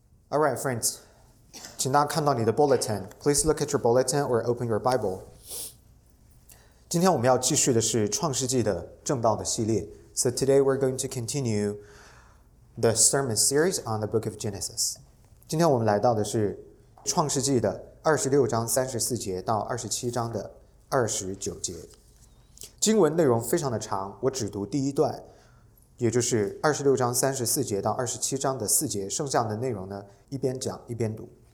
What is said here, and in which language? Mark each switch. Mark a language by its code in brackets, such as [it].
[en] All right, friends, to not count on the bulletin, please look at your bulletin or open your Bible. [zh] 今天我们要继续的是创世纪的正道的系列。 [en] So today we're going to continue the sermon series on the book of Genesis. [zh] 今天我们来到的是创世纪的26章34节到27章的29节。经文内容非常的长，我只读第一段。也就是26章34节到27章的4节，剩下的内容呢，一边讲一边读。